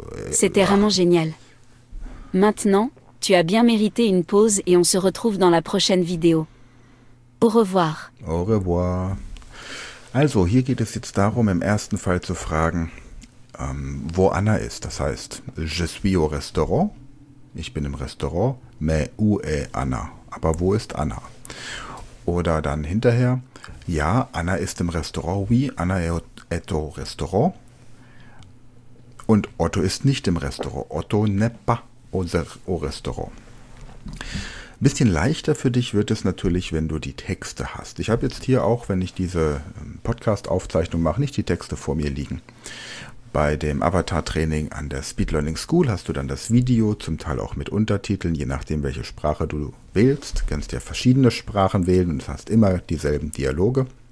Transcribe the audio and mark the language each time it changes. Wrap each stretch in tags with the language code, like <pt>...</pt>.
<fr>C'était vraiment génial. Maintenant, tu as bien mérité une pause et on se retrouve dans la prochaine vidéo. Au revoir. Au revoir.</fr> <de>Also, hier geht es jetzt darum, im ersten Fall zu fragen, wo Anna ist. Das heißt,</de> <fr>je suis au restaurant.</fr> <de>Ich bin im Restaurant.</de> <fr>Mais où est Anna?</fr> <de>Aber wo ist Anna? Oder dann hinterher, ja, Anna ist im Restaurant.</de> <fr>Oui, Anna est au restaurant.</fr> <de>Und Otto ist nicht im Restaurant.</de> <fr>Otto n'est pas au restaurant.</fr> <de>Bisschen leichter für dich wird es natürlich, wenn du die Texte hast. Ich habe jetzt hier auch, wenn ich diese Podcast-Aufzeichnung mache, nicht die Texte vor mir liegen. Bei dem Avatar-Training an der Speed Learning School hast du dann das Video, zum Teil auch mit Untertiteln, je nachdem, welche Sprache du wählst. Du kannst ja verschiedene Sprachen wählen und hast immer dieselben Dialoge.</de>